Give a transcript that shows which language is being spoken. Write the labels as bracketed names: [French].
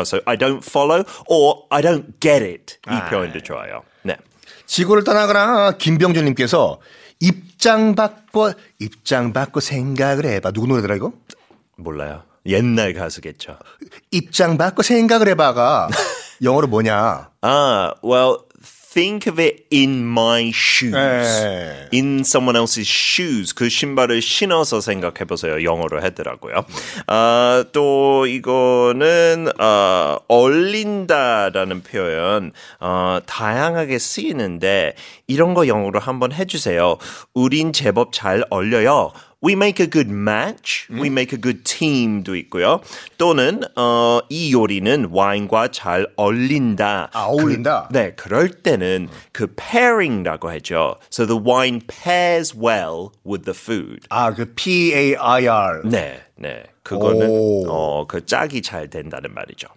[English] So I don't follow or I don't get it. [Korean] 이 표현도 좋아요. 네. 지구를 떠나거나 김병준님께서 입장 바꿔 생각을 해봐. 누구 노래더라 이거? 몰라요. 옛날 가수겠죠. 입장 바꿔 생각을 해봐가 영어로 뭐냐? [English] Well, think of it in my shoes. 에이. In someone else's shoes. [Korean] 그 신발을 신어서 생각해보세요. 영어로 하더라고요. 또 이거는 얼린다라는 표현 다양하게 쓰이는데 이런 거 영어로 한번 해주세요. 우린 제법 잘 얼려요. [English] We make a good match. We make a good team도 있고요. [Korean] 또는 이 요리는 와인과 잘 어울린다. 아, 어울린다. 네, 그럴 때는 그 pairing라고 하죠. [English] So the wine pairs well with the food. [Korean] 아, 그 P-A-I-R. 네, 네. 그거는 그 짝이 잘 된다는 말이죠.